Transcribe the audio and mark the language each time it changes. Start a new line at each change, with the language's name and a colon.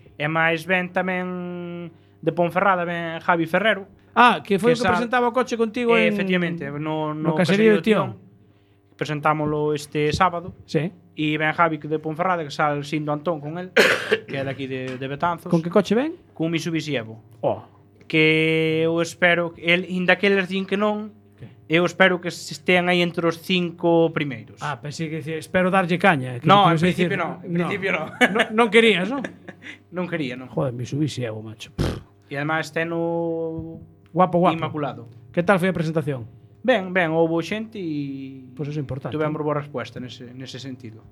Spanish: Y más ven también de Ponferrada, ven Javi Ferrero. Ah, que fue el que presentaba el coche contigo en... Efectivamente. No caserío de Tión.
Galician: Presentámoslo este sábado.
Spanish: Sí. Y ven Javi de Ponferrada, que sale siendo Antón con él, que es de aquí de Betanzos. ¿Con qué coche ven? Con un Mitsubishi Evo. Oh.
Galician: Que eu espero, inda que eles din que non, okay. Eu espero que se estean aí entre os cinco primeiros. Ah, pensei que dices, espero darlle caña.
Spanish: No, en principio decir, no, en principio no.
Galician: Non querías, non? Non quería, non. Joder, me subise eu, macho.
Spanish: E además este no... Guapo. Inmaculado.
Galician: Que tal foi a presentación? Ben, houve xente e... Pois pues é importante. Tuvemos boa resposta nese sentido.